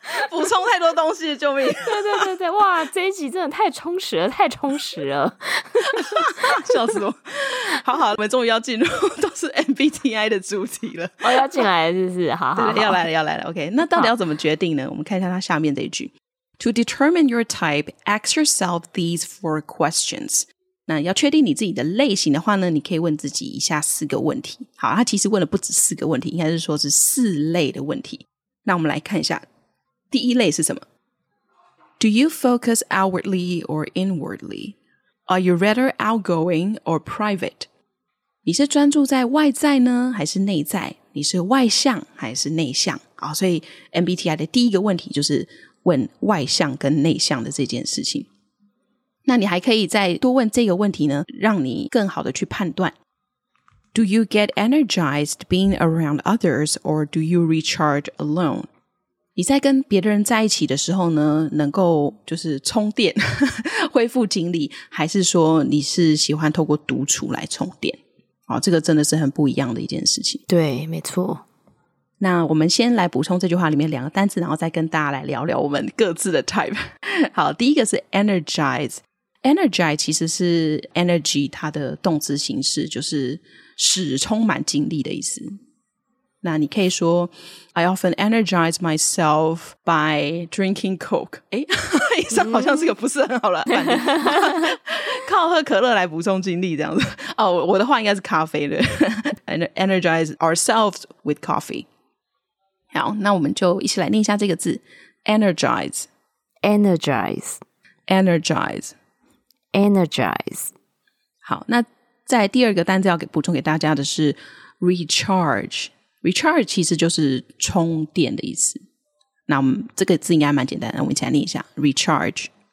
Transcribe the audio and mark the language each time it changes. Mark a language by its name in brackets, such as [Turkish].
[Chinese] 补充太多东西，救命！对，哇，这一集真的太充实了，笑死我！好，我们终于要进入都是 MBTI 的主题了，要进来了，是好好，对，要来了 ，OK， 那到底要怎么决定呢？我们看一下它下面这一句。 [English] To determine your type, ask yourself these four questions. [Chinese] 那要确定你自己的类型的话呢，你可以问自己以下四个问题。好，他其实问了不止四个问题，应该是说是四类的问题。那我们来看一下，第一类是什么？ [English] Do you focus outwardly or inwardly? Are you rather outgoing or private? [Chinese] 你是专注在外在呢，还是内在？你是外向还是内向？好，所以 MBTI 的第一个问题就是问外向跟内向的这件事情。那你还可以再多问这个问题呢，让你更好的去判断。 [English] Do you get energized being around others or do you recharge alone? [Chinese] 你在跟别人在一起的时候呢，能够就是充电恢复精力，还是说你是喜欢透过独处来充电？哦，这个真的是很不一样的一件事情。对，没错。那我们先来补充这句话里面两个单字，然后再跟大家来聊聊我们各自的 type。好，第一个是 energize 其实是 energy 它的动词形式，就是使充满精力的意思。那你可以说 [English] I often energize myself by drinking Coke. [Chinese] 诶，这好像是个不是很好的反应，靠喝可乐来补充精力这样子。哦，我的话应该是咖啡的。 [English] Energize ourselves with coffee. [Chinese] 好，那我们就一起来念一下这个字。 [English] Energize. Energize. Energize. Energize. [Chinese] 好，那在第二个单字要给补充给大家的是 recharge。 Recharge 其实就是充电的意思，那我们这个字应该蛮简单的，我们一起来念一下 Recharge